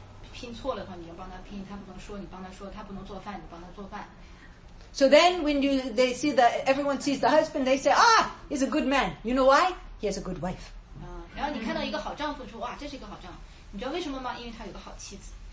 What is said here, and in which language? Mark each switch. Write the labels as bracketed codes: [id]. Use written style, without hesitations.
[zh] 拼错了的话，你要帮他拼；他不能说，你帮他说；他不能做饭，你帮他做饭。 [en] So then, when you they see the everyone sees the husband, they say, "Ah, he's a good man." You know why? He has a good wife. [zh] 然后你看到一个好丈夫，说，哇，这是一个好丈夫。你知道为什么吗？因为他有个好妻子。